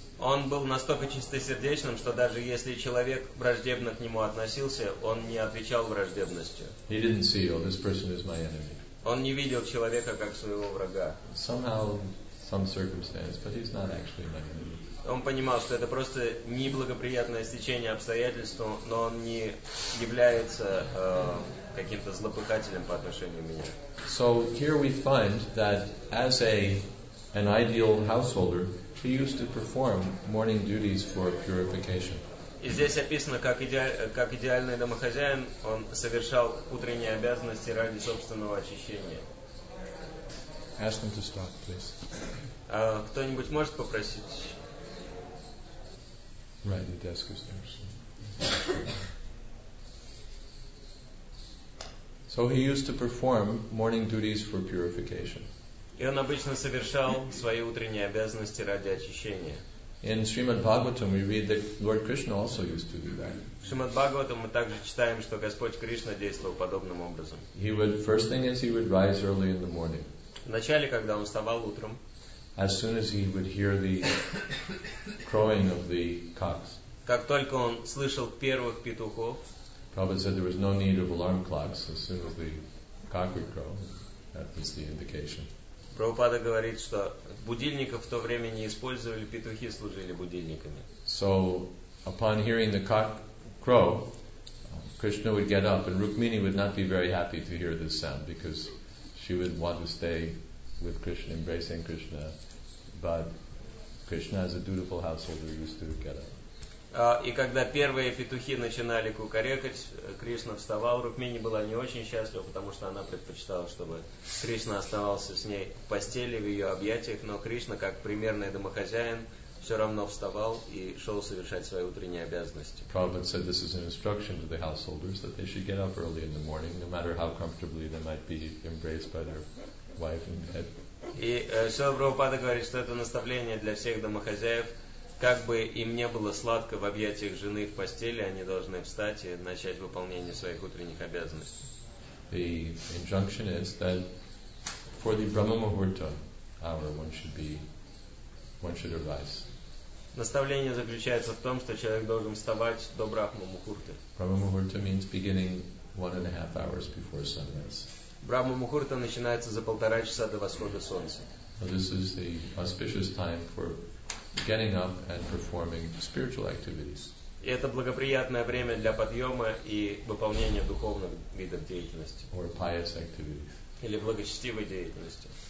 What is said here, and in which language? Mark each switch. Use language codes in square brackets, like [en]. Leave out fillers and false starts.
[ru] Он был настолько чистосердечным, что даже если человек враждебно к нему относился, он не отвечал враждебностью. [en] He didn't see, oh, this person is my enemy. [ru] Он не видел человека как своего врага. [en] Somehow, some circumstance, but he's not actually my enemy. [ru] Он понимал, что это просто неблагоприятное стечение обстоятельств, но он не является каким-то злопыхателем по отношению к мне. [en] So here we find that as an ideal householder, he used to perform morning duties for purification. [ru] И здесь описано, как идеальный домохозяин, он совершал утренние обязанности ради собственного очищения. [en] Ask them to stop, please. [ru] Кто-нибудь может попросить? [en] Right, the desk is there. So. So he used to perform morning duties for purification. [ru] И он обычно совершал свои утренние обязанности ради очищения. [en] In Srimad Bhagavatam we read that Lord Krishna also used to do that. [ru] В Шримад Бхагаватам мы также читаем, что Господь Кришна действовал подобным образом. [en] He would, first thing is, he would rise early in the morning. [ru] Вначале, когда он вставал утром. [en] As soon as he would hear the crowing of the cocks. [ru] Как только он слышал первых петухов. [en] Prabhupada said there was no need of alarm clocks. As soon as the cock would crow, that was the indication. [ru] Прабхупада говорит, что будильников в то время не использовали, петухи служили будильниками. [en] So, upon hearing the cock crow, Krishna would get up, and Rukmini would not be very happy to hear this sound, because she would want to stay with Krishna, embracing Krishna, but Krishna, as a dutiful householder, used to get up. [ru] И когда первые петухи начинали кукарекать, Кришна вставал, Рукмини была не очень счастлива, потому что она предпочитала, чтобы Кришна оставался с ней в постели, в ее объятиях, но Кришна, как примерный домохозяин, все равно вставал и шел совершать свои утренние обязанности. [en] Prabhupada said this is an instruction to the householders that they should get up early in the morning, no matter how comfortably they might be embraced by their wife and head. [ru] И Шрила Прабхупада говорит, что это наставление для всех домохозяев. Как бы им не было сладко в объятиях жены в постели, они должны встать и начать выполнение своих утренних обязанностей. [en] The injunction is that for the Brahma Muhurta hour one should arise. [ru] Наставление заключается в том, что человек должен вставать до Брахма Мухурты. [en] Brahma Muhurta means beginning 1.5 hours before sunrise. [ru] Брахма Мухурта начинается за полтора часа до восхода солнца. [en] This is the auspicious time for getting up and performing spiritual activities. [ru] И это благоприятное время для подъема и выполнения духовных видов деятельности. [en] Or pious activities. [ru] Или благочестивой деятельности.